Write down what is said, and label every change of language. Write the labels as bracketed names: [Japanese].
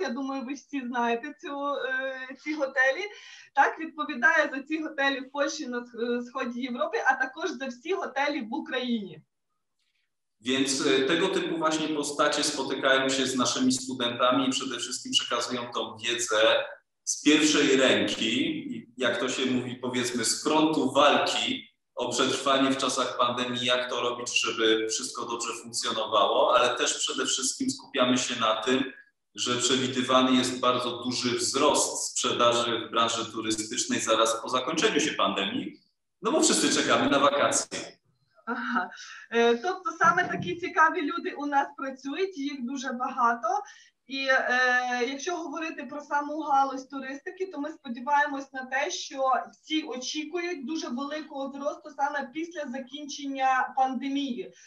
[Ukrainian] Я думаю, ви всі знаєте ці готелі. Так, відповідає за ці готелі в Польщі на сході Європи, а також за всі готелі в Україні. [Polish] Więc tego typu właśnie postacie spotykają się z naszymi studentami i przede wszystkim przekazują tą wiedzę z pierwszej ręki, jak to się mówi, powiedzmy, z frontu walki o przetrwanie w czasach pandemii, jak to robić, żeby wszystko dobrze funkcjonowało, ale też przede wszystkim skupiamy się na tym, że przewidywany jest bardzo duży wzrost sprzedaży w branży turystycznej zaraz po zakończeniu się pandemii, no bo wszyscy czekamy na wakacje. [Ukrainian] Aha. Тобто саме такі цікаві люди у нас працюють, їх дуже багато, І якщо говорити про саму галузь туристики, то ми сподіваємось на те, що всі очікують дуже великого зросту саме після закінчення пандемії.